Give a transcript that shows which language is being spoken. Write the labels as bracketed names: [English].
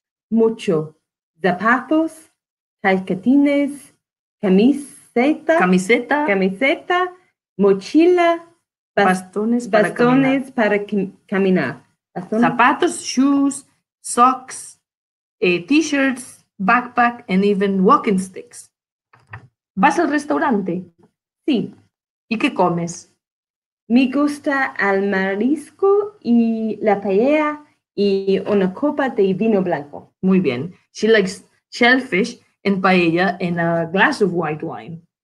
[Spanish] Mucho. Zapatos, calcetines, camiseta, mochila, bastones para caminar. [English] Zapatos, shoes, socks, t-shirts, backpack, and even walking sticks. [Spanish] ¿Vas al restaurante? Sí. ¿Y qué comes? Me gusta el marisco y la paella y una copa de vino blanco. Muy bien. [English] She likes shellfish and paella and a glass of white wine.